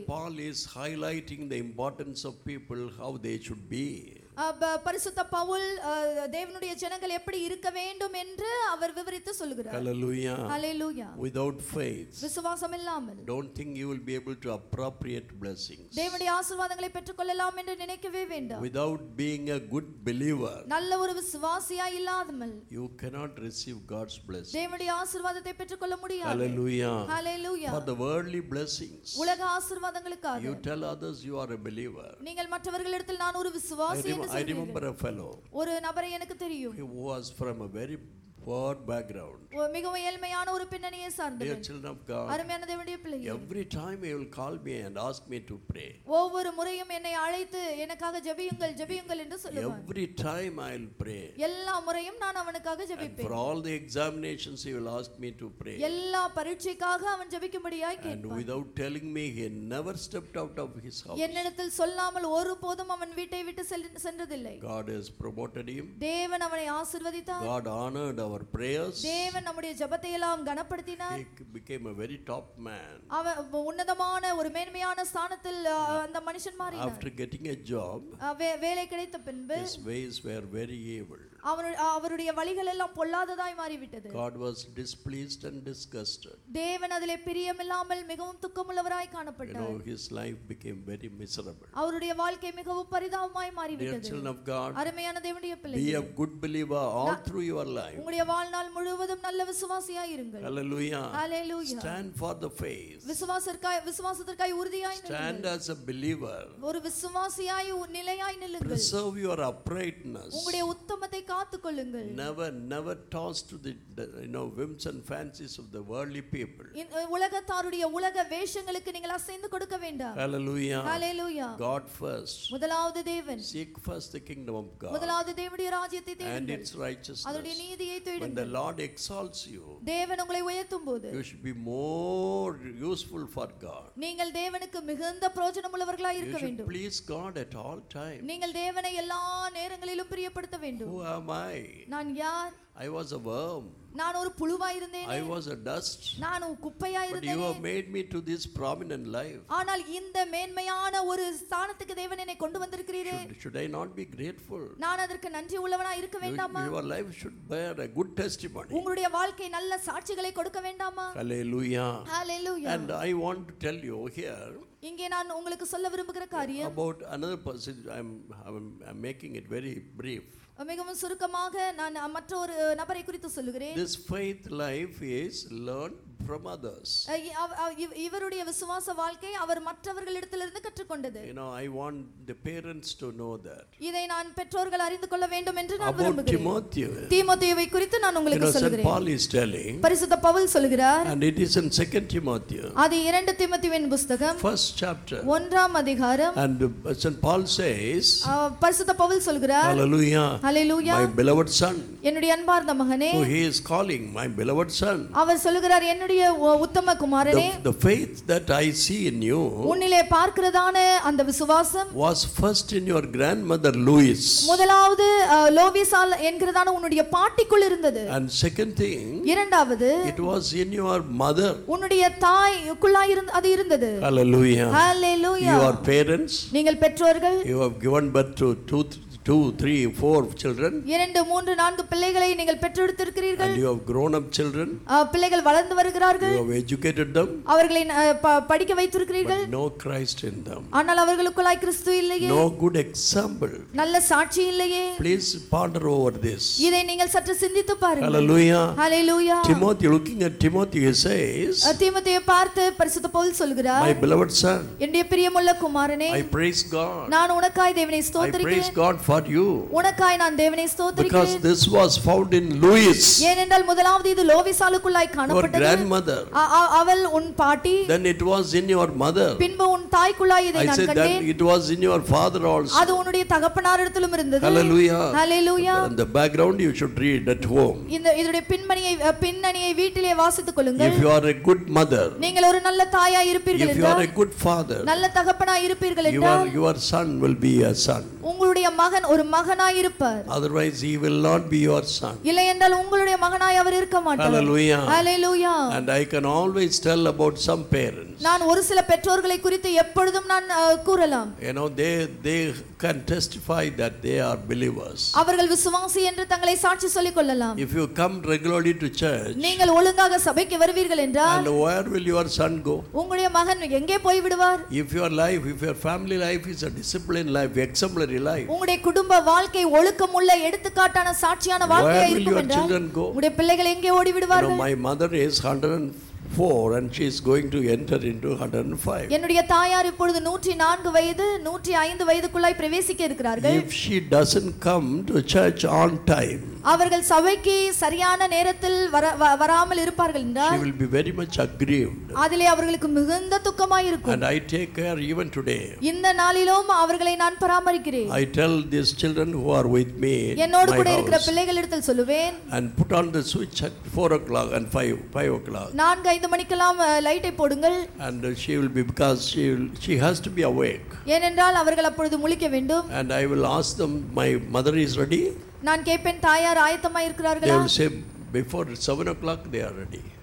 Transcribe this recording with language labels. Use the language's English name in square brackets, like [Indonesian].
[English] St. Paul is highlighting the importance of people how they should be. [Tamil] பரிசுத்த பவுல் தேவனுடைய ஜனங்கள் எப்படி இருக்க வேண்டும் என்று அவர் விவரித்து சொல்கிறார். [English] Hallelujah. [Tamil] Hallelujah. [English] Without faith. [Tamil] விசுவாசம் இல்லாமல். [English] Don't think you will be able to appropriate blessings. [Tamil] தேவனுடைய ஆசீர்வாதங்களை பெற்றுக்கொள்ளலாம் என்று நினைக்கவே வேண்டாம். [English] Without being a good believer. [Tamil] நல்ல ஒரு விசுவாசியா இல்லாமல். [English] You cannot receive God's blessings. [Tamil] தேவனுடைய ஆசீர்வாதத்தை பெற்றுக்கொள்ள முடியாது. [English] Hallelujah. [Tamil] Hallelujah. [English] For the worldly blessings. [Tamil] உலக ஆசீர்வாதங்களுக்காக. [English] You tell others you are a believer. [Tamil] நீங்கள் மற்றவர்களிடத்தில் நான் ஒரு விசுவாசி. [English] I remember a fellow. [Tamil] ஒரு நபரை எனக்கு தெரியும். [English] He was from a very poor background. [Tamil] மிகவும் ஏழ்மையான ஒரு பின்னணியை சார்ந்தவர். [English] Dear children of God. [Tamil] அருமையான தேவனுடைய பிள்ளைகள். [English] Every time he will call me and ask me to pray. [Tamil] ஒவ்வொரு முறையும் என்னை அழைத்து எனக்காக ஜெபியுங்கள் ஜெபியுங்கள் என்று சொல்லுவார். [English] Every time I'll pray. [Tamil] எல்லா முறையும் நான் அவனுக்காக ஜெபிப்பேன். [English] For all the examinations he will ask me to pray. [Tamil] எல்லா பரீட்சைக்காக அவன் ஜெபிக்கும்படியாய் கேட்பான். [English] And without telling me he never stepped out of his house. [Tamil] என்னிடத்தில் சொல்லாமல் ஒருபோதும் அவன் வீட்டை விட்டு சென்றதில்லை. [English] God has promoted him. [Tamil] தேவன் அவனை ஆசீர்வதித்தார். [English] God honored our prayers. [Tamil] தேவன் நம்முடைய ஜெபத்தை எல்லாம் கனப்படுத்தினார். [English] He became a very top man. [Tamil] அவர் உன்னதமான ஒரு மேன்மையான ஸ்தானத்தில் அந்த மனுஷன் மாறினார். [English] After getting a job. [Tamil] வேலை கிடைத்த பின்பு. [English] His ways were very evil. [Tamil] அவருடைய வழிகள் எல்லாம் பொல்லாததாய் மாறிவிட்டது. [English] God was displeased and disgusted. [Tamil] தேவன் அதிலே பிரியமில்லாமல் மிகவும் துக்கமுள்ளவராய் காணப்பட்டார். [English] You know, his life became very miserable. [Tamil] அவருடைய வாழ்க்கை மிகவும் பரிதாபமாய் மாறிவிட்டது. [English] Dear children of God. [Tamil] அருமையான தேவனுடைய பிள்ளைகளே. [English] Be a good believer all through your life. [Tamil] உங்களுடைய வாழ்நாள் முழுவதும் நல்ல விசுவாசியாய் இருங்கள். [English] Hallelujah. [Tamil] Hallelujah. [English] Stand for the faith. [Tamil] விசுவாசத்திற்காய் உறுதியாய் நில்லுங்கள். [English] Stand as a believer. [Tamil] ஒரு விசுவாசியாய் நிலையாய் நில்லுங்கள். [English] Preserve your uprightness. [Tamil] உங்களுடைய உத்தமத்தை காத்துக்கொள்ளுங்கள். [English] Never toss to the you know whims and fancies of the worldly people. [Tamil] உலகத்தாருடைய உலக வேஷங்களுக்கு நீங்கள் அசைந்து கொடுக்க வேண்டாம். [English] Hallelujah. [Tamil] Hallelujah. [English] God first. [Tamil] முதலாவது தேவன். [English] Seek first the kingdom of God. [Tamil] முதலாவது தேவனுடைய ராஜ்யத்தை தேடுங்கள். [English] And its righteousness. [Tamil] அதுடைய நீதி. [English] When the Lord exalts you, [Tamil] தேவன் உங்களை உயர்த்தும்போது, [English] you should be more useful for God. [Tamil] நீங்கள் தேவனுக்கு மிகுந்த பிரயோஜனமுள்ளவர்களாக இருக்க வேண்டும். [English] You should please God at all times. [Tamil] நீங்கள் தேவனை எல்லா நேரங்களிலும் பிரியப்படுத்த வேண்டும். [English] Who am I? [Tamil] நான் யார்? [English] I was a worm. [Tamil] நான் ஒரு புழுவா இருந்தேனே. [English] I was a dust. [Tamil] நான் குப்பையா இருந்தேனே. [English] But you have made me to this prominent life. [Tamil] ஆனால் இந்த மேன்மையான ஒரு ஸ்தானத்துக்கு தேவன் என்னை கொண்டு வந்திருக்கிறீரே. [English] Should I not be grateful? [Tamil] நான் அதற்கு நன்றி உள்ளவனா இருக்க வேண்டாமா? [English] Your life should bear a good testimony. [Tamil] உங்களுடைய வாழ்க்கை நல்ல சாட்சிகளை கொடுக்க வேண்டாமா? [English] Hallelujah. [Tamil] Hallelujah. [English] And I want to tell you here. [Tamil] இங்கே நான் உங்களுக்கு சொல்ல விரும்புகிற காரியம் [English] about another person. I'm making it very brief. [Tamil] மிகவும் சுருக்கமாக நான் மற்றொரு நபரை குறித்து சொல்கிறேன். [English] This faith life is learned from others. [Tamil] இவருடைய விசுவாச வாழ்க்கை அவர் மற்றவர்களிடத்திலிருந்து கற்றுக்கொண்டது. [English] You know, I want the parents to know that. [Tamil] இதை நான் பெற்றோர்கள் அறிந்து கொள்ள வேண்டும் என்று நான் விரும்புகிறேன். [English] About Timothy. [Tamil] தீமோத்தேயுவை குறித்து நான் உங்களுக்கு சொல்கிறேன். [English] You know, Saint Paul is telling. [Tamil] பரிசுத்த பவுல் சொல்கிறார். [English] And it is in 2 Timothy. [Tamil] அது 2 தீமோத்தேயுவின் புத்தகம். [English] First chapter. [Tamil] 1 அதிகாரம். [English] And Saint Paul says. [Tamil] பரிசுத்த பவுல் சொல்கிறார். [English] Hallelujah. [Tamil] Hallelujah. [English] My beloved son. [Tamil] என்னுடைய அன்பார்ந்த மகனே. [English] So he is calling my beloved son. [Tamil] அவர் சொல்கிறார் என்னுடைய உத்தம குமாரனே. [English] The faith that I see in you. [Tamil] உன்னிலே பார்க்கிறதான அந்த விசுவாசம். [English] Was first in your grandmother Louis. [Tamil] முதலாவது லோவிசால் என்கிறதான உன்னுடைய பாட்டிக்குள் இருந்தது. [English] And second thing. [Tamil] இரண்டாவது. [English] It was in your mother. [Tamil] உன்னுடைய தாய்க்குள்ளாய் அது இருந்தது. [English] Hallelujah. [Tamil] Hallelujah. [English] Your parents. [Tamil] நீங்கள் பெற்றோர்கள். [English] You have given birth to two, three, four children. [Tamil] இரண்டு மூன்று நான்கு பிள்ளைகளை நீங்கள் பெற்றெடுத்திருக்கிறீர்கள். [English] And you have grown up children. [Tamil] பிள்ளைகள் வளர்ந்து வருகிறார்கள். [English] You have educated them. [Tamil] அவர்களை படிக்க வைத்திருக்கிறீர்கள். [English] But no Christ in them. [Tamil] ஆனால் அவர்களுக்குள்ளாய் கிறிஸ்து இல்லையே. [English] No good example. [Tamil] நல்ல சாட்சி இல்லையே. [English] Please ponder over this. [Tamil] இதை நீங்கள் சற்று சிந்தித்து பாருங்கள். [English] Hallelujah. [Tamil] Hallelujah. [English] Timothy, looking at Timothy, he says. [Tamil] தீமோத்தேயை பார்த்து பரிசுத்த பவுல் சொல்கிறார். [English] My beloved son. [Tamil] என்னுடைய பிரியமுள்ள குமாரனே. [English] I praise God. [Tamil] நான் உனக்காய் தேவனை ஸ்தோத்திரிக்கிறேன். [English] I praise God for you. [Tamil] உனக்காய் நான் தேவனை ஸ்தோத்திரிக்கிறேன். [English] Because this was found in Louis. [Tamil] ஏனென்றால் முதலாவது இது லோவிசாலுக்குள்ளாய் காணப்பட்டது. [English] Your grandmother. [Tamil] அவள் உன் பாட்டி. [English] Then it was in your mother. [Tamil] பின்பு உன் தாய்க்குள்ளாய் இதை நான் கண்டேன். [English] I said that it was in your father also. [Tamil] அது உன்னுடைய தகப்பனாரிடத்திலும் இருந்தது. [English] Hallelujah. [Tamil] Hallelujah. [English] And the background you should read at home. [Tamil] இந்த இதுடைய பின்னணியை வீட்டிலே வாசித்துக் கொள்ளுங்கள். [English] If you are a good mother. [Tamil] நீங்கள் ஒரு நல்ல தாயாய் இருப்பீர்கள் என்றால். [English] If you are a good father. [Tamil] நல்ல தகப்பனாய் இருப்பீர்கள் என்றால். [English] Your son will be a son. [Tamil] உங்களுடைய மகன் ஒரு மகனாய் இருப்பார். [English] Otherwise he will not be your son. [Tamil] இல்லை என்றால் உங்களுடைய மகனாய் அவர் இருக்க மாட்டார். [English] Hallelujah. [Tamil] Hallelujah. [English] And I can always tell about some parents. [Tamil] நான் ஒரு சில பெற்றோர்களை குறித்து எப்பொழுதும் நான் கூறலாம். [English] You know they can testify that they are believers. [Tamil] அவர்கள் விசுவாசி என்று தங்களை சாட்சி சொல்லிக் கொள்ளலாம். [English] If you come regularly to church. [Tamil] நீங்கள் ஒழுங்காக சபைக்கு வருவீர்கள் என்றால். [English] And where will your son go? [Tamil] உங்களுடைய மகன் எங்கே போய் விடுவார்? [English] If your life, if your family life is a disciplined life, exemplary life. [Tamil] உங்களுடைய குடும்ப வாழ்க்கை ஒழுக்கமுள்ள எடுத்துக்காட்டான சாட்சியான வாழ்க்கையா இருக்கும் என்றால். [English] Where will your children go? [Tamil] உங்களுடைய பிள்ளைகள் எங்கே ஓடி விடுவார்கள்? [English] You know, my mother is 104 and she is going to enter into 105. [Tamil] என்னுடைய தாயார் இப்பொழுது 104 வயது 105 வயதுக்குள்ளாய் பிரவேசிக்க இருக்கிறார்கள். [English] If she doesn't come to church on time. [Tamil] அவர்கள் சபைக்கு சரியான நேரத்தில் வராமல் இருப்பார்கள் என்றால் [English] she will be very much aggrieved. [Tamil] அதிலே அவர்களுக்கு மிகுந்த துக்கமாய் இருக்கும். [English] And I take care even today. [Tamil] இந்த நாளிலும் அவர்களை நான் பராமரிக்கிறேன். [English] I tell these children who are with me. [Tamil] என்னோடு கூட இருக்கிற பிள்ளைகளிடத்தில் சொல்லுவேன். [English] And put on the switch at 4 o'clock and 5 o'clock. [Tamil] 4-5 மணிக்கெல்லாம் லைட்டை போடுங்கள். [English] And she will be because she has to be awake. [Tamil] ஏனென்றால் அவர்கள் அப்பொழுது முழிக்க வேண்டும். [English] And I will ask them, my mother is ready. [Tamil] நான் கேட்பேன், தாயார் ஆயத்தமா இருக்கிறார்களா? [English] They will say before 7 o'clock they are ready.